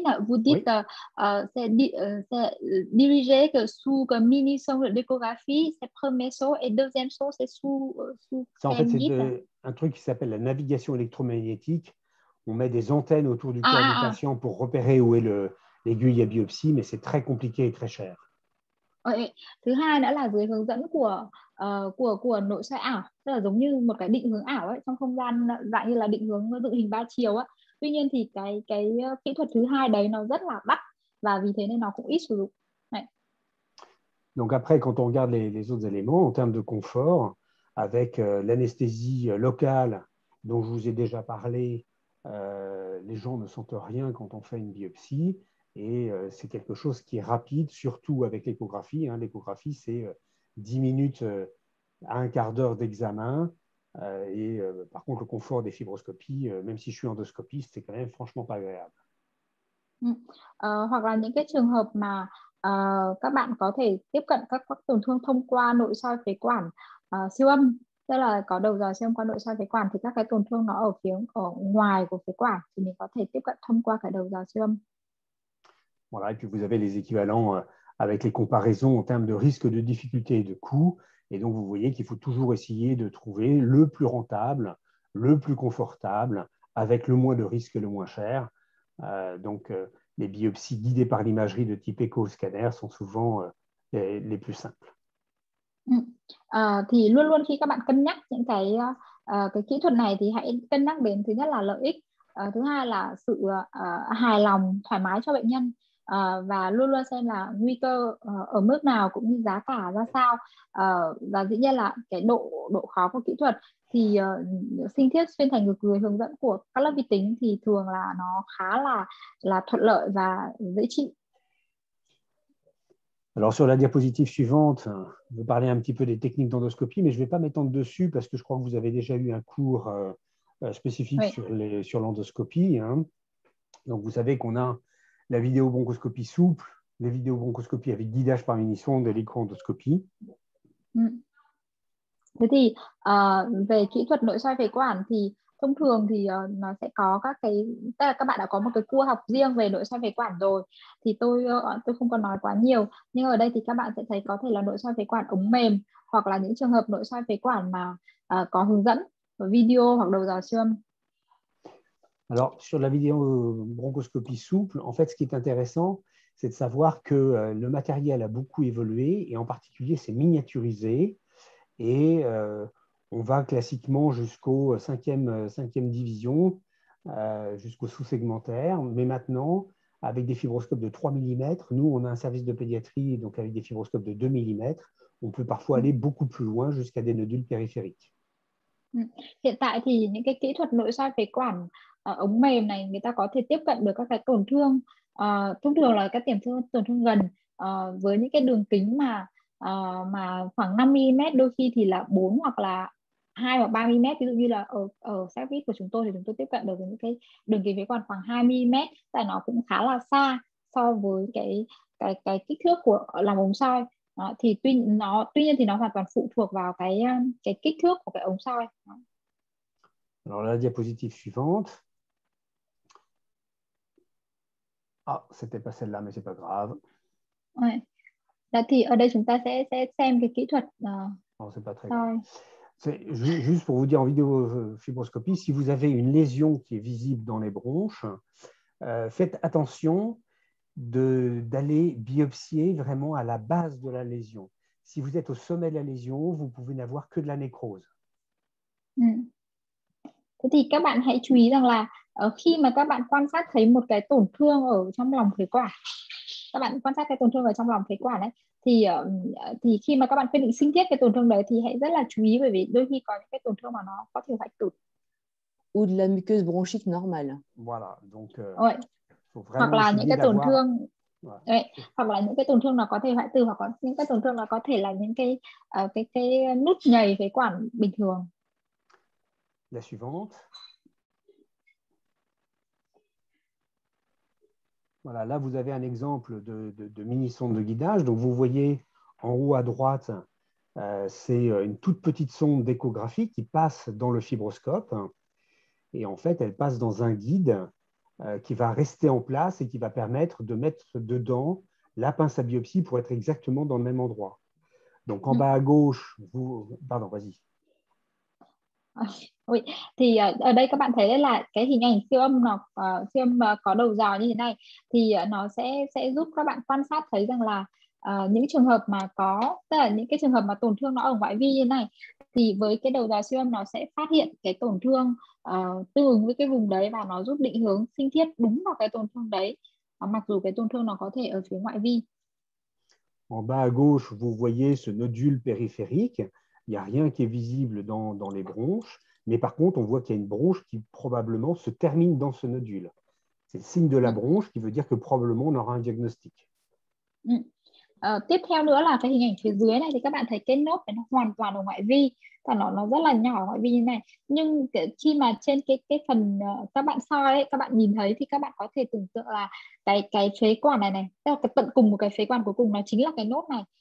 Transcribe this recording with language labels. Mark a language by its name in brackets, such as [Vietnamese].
[French] Jean, vous dites c'est dirigé que sous que mini sonde d'échographie, c'est premier son et deuxième son c'est sous ça, en fait c'est un truc qui s'appelle la navigation électromagnétique. On met des antennes autour du corps du patient pour repérer où est l'aiguille à biopsie, mais c'est très compliqué et très cher. Oui. [Vietnamese] Thứ hai nữa là dưới hướng dẫn của nội soi ảo, tức là giống như một cái định hướng ảo ấy, trong không gian dạng như là định hướng dự hình ba chiều á. Tuy nhiên thì cái kỹ thuật thứ hai đấy nó rất là đắt và vì thế nên nó cũng ít sử dụng. Này. [French] Donc après, quand on regarde les autres éléments en termes de confort, avec l'anesthésie locale dont je vous ai déjà parlé. Les gens ne sentent rien quand on fait une biopsie et c'est quelque chose qui est rapide, surtout avec l'échographie. Hein. L'échographie, c'est 10 minutes à un quart d'heure d'examen. Par contre, le confort des fibroscopies, même si je suis endoscopiste, c'est quand même franchement pas agréable. [Vietnamese] Hoặc là những cái trường hợp mà các bạn có thể tiếp cận các tổn thương thông qua nội soi phế quản siêu âm. Tức là có đầu dò siêu âm qua nội soi phế quản thì các cái tổn thương nó ở phía ở ngoài của phế quản thì mình có thể tiếp cận thông qua cái đầu dò siêu âm. [French] Voilà, et puis vous avez les équivalents avec les comparaisons en termes de risque, de difficulté et de coût. Et donc vous voyez qu'il faut toujours essayer de trouver le plus rentable, le plus confortable, avec le moins de risque, le moins cher. Les biopsies guidées par l'imagerie de type écho-scanner sont souvent les plus simples. [Vietnamese] Thì luôn luôn khi các bạn cân nhắc những cái kỹ thuật này thì hãy cân nhắc đến thứ nhất là lợi ích, thứ hai là sự hài lòng, thoải mái cho bệnh nhân, và luôn luôn xem là nguy cơ ở mức nào cũng như giá cả ra sao, và dĩ nhiên là cái độ khó của kỹ thuật thì sinh thiết xuyên thành ngực dưới hướng dẫn của các lớp vi tính thì thường là nó khá là thuận lợi và dễ trị. [French] Alors, sur la diapositive suivante, vous parlez un petit peu des techniques d'endoscopie, mais je ne vais pas m'étendre dessus parce que je crois que vous avez déjà eu un cours spécifique oui. sur l'endoscopie. Hein. Donc, vous savez qu'on a la vidéobronchoscopie souple, les vidéobronchoscopies avec guidage par mini-sonde et l'écho-endoscopie. [Vietnamese] Thế thì, về kỹ thuật nội soi phế quản, thì thông thường thì nó sẽ có tức là các bạn đã có một cái cua học riêng về nội soi phế quản rồi thì tôi không có nói quá nhiều, nhưng ở đây thì các bạn sẽ thấy có thể là nội soi phế quản ống mềm hoặc là những trường hợp nội soi phế quản mà có hướng dẫn video hoặc đầu dò siêu âm. [French] Alors sur la vidéo bronchoscopie souple, en fait ce qui est intéressant c'est de savoir que le matériel a beaucoup évolué et en particulier c'est miniaturisé et on va classiquement jusqu'au cinquième division, jusqu'au sous-segmentaire. Mais maintenant, avec des fibroscopes de 3 mm, nous, on a un service de pédiatrie, donc avec des fibroscopes de 2 mm, on peut parfois aller beaucoup plus loin jusqu'à des nodules périphériques. [Vietnamese] Hiện tại thì những cái kỹ thuật nội soi phế quản ống mềm này, người ta có thể tiếp cận được các cái tổn thương, thông thường là các tổn thương gần, với những cái đường kính mà khoảng 5 mm đôi khi thì là 4 hoặc là 2 hoặc 3 mm, ví dụ như là ở service của chúng tôi thì chúng tôi tiếp cận được với những cái đường kính phế quản khoảng 2 mm, tại nó cũng khá là xa so với cái kích thước của lòng ống soi. Thì tuy nhiên thì nó hoàn toàn phụ thuộc vào cái kích thước của cái ống soi. [French] Alors la diapositive suivante. Ah, c'était pas celle-là mais c'est pas grave. [Vietnamese] Ouais. Là thì ở đây chúng ta sẽ xem cái kỹ thuật [French] Oh, c'est pas très C'est juste pour vous dire en vidéofibroscopie, si vous avez une lésion qui est visible dans les bronches, faites attention d'aller biopsier vraiment à la base de la lésion. Si vous êtes au sommet de la lésion, vous pouvez n'avoir que de la nécrose. [Vietnamese] Thế thì các bạn hãy chú ý rằng là khi mà các bạn quan sát thấy một cái tổn thương ở trong lòng phế quản, các bạn quan sát cái tổn thương ở trong lòng phế quản đấy, thì khi mà các bạn quyết định sinh thiết cái tổn thương đấy thì hãy rất là chú ý, bởi vì đôi khi có những cái tổn thương mà nó có thể hoại tử. [French] Ou de la muqueuse bronchique normale. Voilà, donc. Ouais. [Vietnamese] Hoặc là những cái tổn thương. Ouais. Ouais. Hoặc là những cái tổn thương nó có thể hoại tử, hoặc là những cái tổn thương nó có thể là những cái nút nhầy phế quản bình thường. [French] La suivante. Voilà, là vous avez un exemple de mini-sonde de guidage. Donc vous voyez en haut à droite, c'est une toute petite sonde d'échographie qui passe dans le fibroscope. Et en fait, elle passe dans un guide qui va rester en place et qui va permettre de mettre dedans la pince à biopsie pour être exactement dans le même endroit. Donc en bas à gauche, vous. Pardon, vas-y. Oui. [Vietnamese] Thì ở đây các bạn thấy là cái hình ảnh siêu âm nó siêu âm có đầu dò như thế này thì nó sẽ giúp các bạn quan sát thấy rằng là những trường hợp mà có, tức là những cái trường hợp mà tổn thương nó ở ngoại vi như thế này, thì với cái đầu dò siêu âm nó sẽ phát hiện cái tổn thương tương với cái vùng đấy và nó giúp định hướng sinh thiết đúng vào cái tổn thương đấy, mặc dù cái tổn thương nó có thể ở phía ngoại vi. [French] En bas à gauche, vous voyez ce nodule périphérique. Il n'y a rien qui est visible dans les bronches, mais par contre, on voit qu'il y a une bronche qui probablement se termine dans ce nodule. C'est le signe de la bronche qui veut dire que probablement on aura un diagnostic. [Vietnamese] Tiếp theo nữa là cái hình ảnh phía dưới này thì các bạn thấy cái nốt nó hoàn toàn ở ngoại vi, nó rất là nhỏ ở ngoại vi như này. Nhưng khi mà trên cái phần các bạn soi ấy, các bạn nhìn thấy thì các bạn có thể tưởng tượng là cái phế quản này này, tức là cái tận cùng của cái phế quản cuối cùng nó chính là cái nốt này.